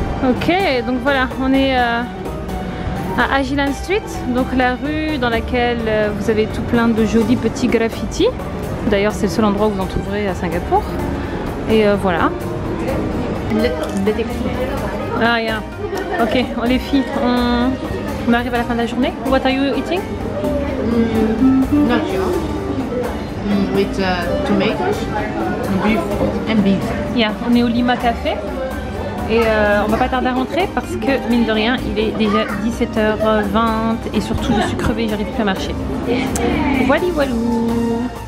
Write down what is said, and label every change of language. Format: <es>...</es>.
<fr>Ok, donc voilà, on est à Ajilan Street, donc la rue dans laquelle vous avez tout plein de jolis petits graffitis. D'ailleurs, c'est le seul endroit où vous en trouverez à Singapour. Et voilà.</fr> <en>Ah, yeah.</en> <fr>Ok, on les filles, on arrive à la fin de la journée.</fr> <en>What are you eating? Not sure. With tomatoes, beef and beef. Yeah,</en> <fr>on est au Lima Café. Et on va pas tarder à rentrer parce que, mine de rien, il est déjà 17h20 et surtout je suis crevée, j'arrive plus à marcher. Wally Walou.</fr>